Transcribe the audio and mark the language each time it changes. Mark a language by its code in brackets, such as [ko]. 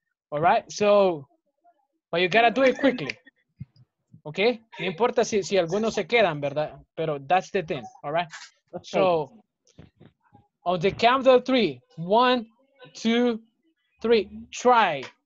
[en] All right, so, but you gotta do it quickly. [es] Okay, no importa si algunos se quedan, ¿verdad? [en] Pero that's the thing, all right? Okay. So, on the count of three, one, two, three, try.